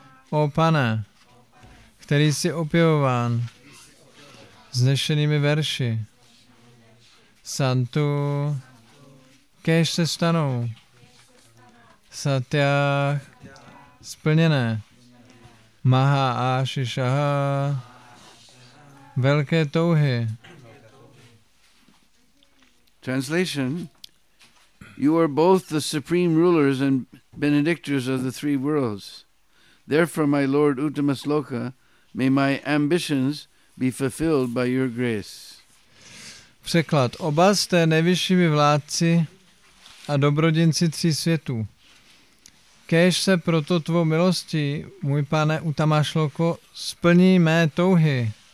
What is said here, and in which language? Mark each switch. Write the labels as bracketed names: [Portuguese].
[Czech] o pane, který jsi opěvován znešenými verši, [Sanskrit] santu, [Czech] kéž se stanou, [Sanskrit] satyah, [Czech] splněné, [Sanskrit] maha ashishaha, [Czech] velké touhy. [English] Translation: you are both the supreme rulers and benedictors of the three worlds. Therefore, my Lord Uttamasloka, may my ambitions be fulfilled by your grace. [Czech] Překlad: oba jste nejvyššími vládci a dobrodinci tří světů. Kéž se proto tvou milostí, můj pane Uttamasloko, splní mé touhy.